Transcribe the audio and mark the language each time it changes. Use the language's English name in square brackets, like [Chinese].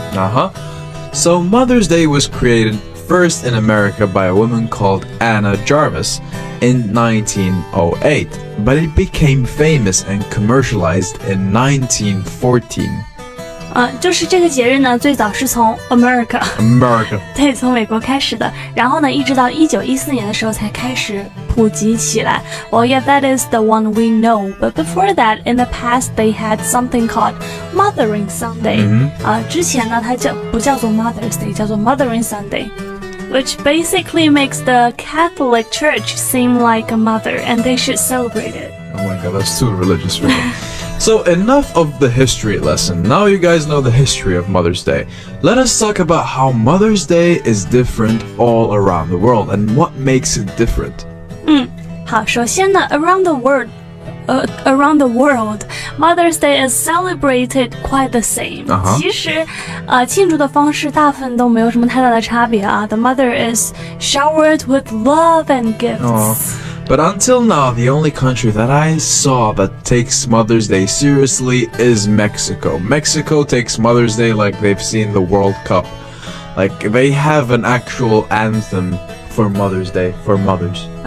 [English] Uh-huh. So Mother's Day was created first in America by a woman called Anna Jarvis in 1908, but it became famous and commercialized in 1914. [Chinese] 就是这个节日呢最早是从 America 对，从美国开始的，然后呢一直到1914年的时候才开始普及起来。 [English] Well, yeah, that is the one we know. But before that, in the past, they had something called Mothering Sunday、 mm-hmm. [Chinese] 之前呢它叫不叫做 [English] Mother's Day, [Chinese] 叫做 [English] Mothering Sunday, which basically makes the Catholic Church seem like a mother and they should celebrate it. Oh my god, that's too religious for me. So enough of the history lesson. Now you guys know the history of Mother's Day. Let us talk about how Mother's Day is different all around the world and what makes it different. [Chinese] 好，首先呢 [English] around the world, Mother's Day is celebrated quite the same.、 Uh-huh. [Chinese] 其实、庆祝的方式大部分都没有什么太大的差别啊。 [English] The mother is showered with love and gifts.、 Oh. But until now, the only country that I saw that takes Mother's Day seriously is Mexico. Mexico takes Mother's Day like they've seen the World Cup. Like, they have an actual anthem for Mother's Day, for mothers.